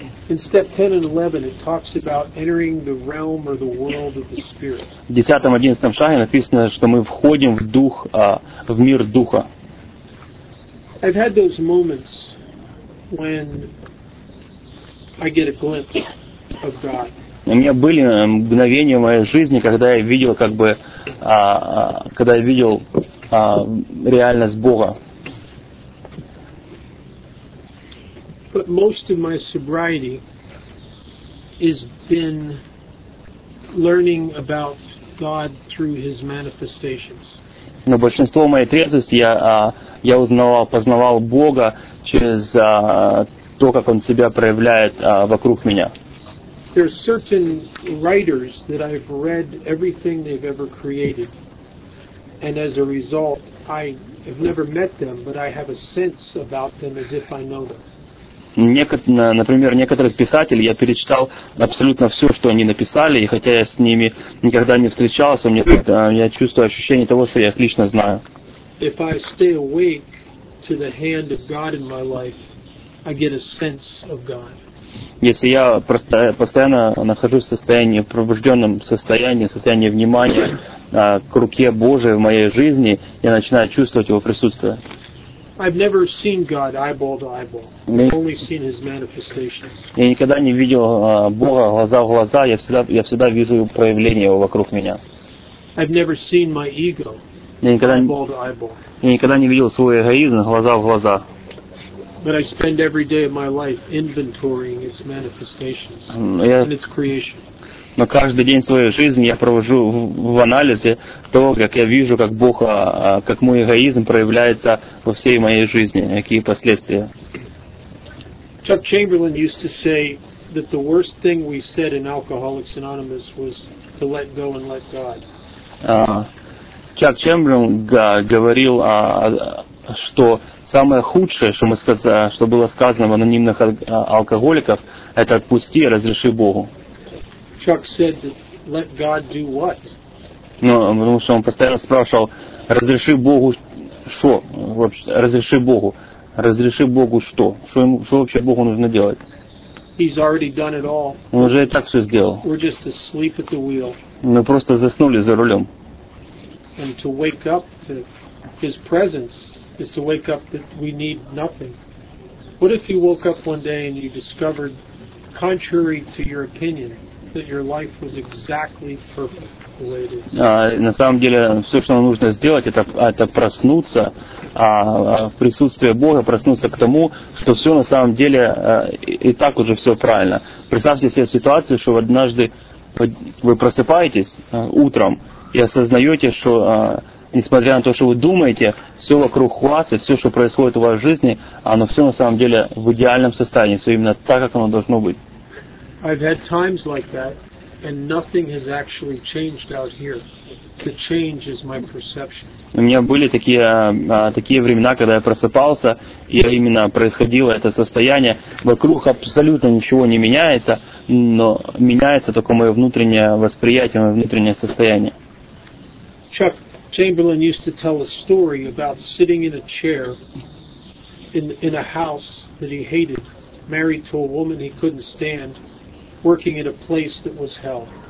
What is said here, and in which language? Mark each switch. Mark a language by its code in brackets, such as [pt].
[en] In step 10 and 11, it talks about entering the realm or the world of the spirit. [ru] В 10-11 шаге написано, что мы входим в дух, в мир духа. [en] I've had those moments when I get a glimpse of God. [ru] У меня были мгновения в моей жизни, когда я видел, реальность Бога. [en] But most of my sobriety has been learning about God through His manifestations. [ru] Но большинство моей трезвости я познавал Бога через то, как Он себя проявляет вокруг меня. [en] There are certain writers that I've read everything they've ever created, And as a result, I have never met them, but I have a sense about them as if I know them. [ru] Например, некоторых писателей я перечитал абсолютно все, что они написали, и хотя я с ними никогда не встречался, я чувствую ощущение того, что я их лично знаю. [en] If I stay awake to the hand of God in my life, I get a sense of God. [ru] Если я постоянно нахожусь в состоянии, в пробужденном состоянии, в состоянии внимания к руке Божией в моей жизни, я начинаю чувствовать Его присутствие. [en] I've never seen God eyeball to eyeball. I've only seen His manifestations. [ru] Я никогда не видел Бога глаза в глаза, я всегда вижу проявление Его вокруг меня. [en] I've never seen my ego eyeball to eyeball. [ru] Я никогда не видел свой эгоизм глаза в глаза. [en] But I spend every day of my life inventorying its manifestations and its creation. [ru] Но каждый день своей жизни я провожу в анализе того, как я вижу, как Бог, как мой эгоизм проявляется во всей моей жизни, какие последствия. [en] Chuck Chamberlain used to say that the worst thing we said in Alcoholics Anonymous was to let go and let God. [ru] Чак Чемберлин говорил, что самое худшее, что мы сказали, что было сказано в анонимных алкоголиков, это отпусти и разреши Богу. [en] Chuck said, "Let God do what?" [ru] Ну, потому что он постоянно спрашивал, разреши Богу что? Вообще, разреши Богу что? Что вообще Богу нужно делать? [en] He's already done it all. [ru] Он уже и так все сделал. [en] We're just asleep at the wheel. [ru] Мы просто заснули за рулем. [en] And to wake up to His presence is to wake up that we need nothing. What if you woke up one day and you discovered, contrary to your opinion, that your life was exactly perfect the way it is. [ru] На самом деле, все, что нужно сделать, это проснуться в присутствии Бога, проснуться к тому, что все на самом деле и так уже все правильно. Представьте себе ситуацию, что однажды вы просыпаетесь утром и осознаете, что несмотря на то, что вы думаете, все вокруг вас и все, что происходит у вас в жизни, оно все на самом деле в идеальном состоянии, все именно так, как оно должно быть. [en] I've had times like that, and nothing has actually changed out here. The change is my perception. [ru] У меня были такие времена, когда я просыпался, и именно происходило это состояние. Вокруг абсолютно ничего не меняется, но меняется только мое внутреннее восприятие, мое внутреннее состояние. [en] Chuck Chamberlain used to tell a story about sitting in a chair in a house that he hated, married to a woman he couldn't stand, working at a place that was hell.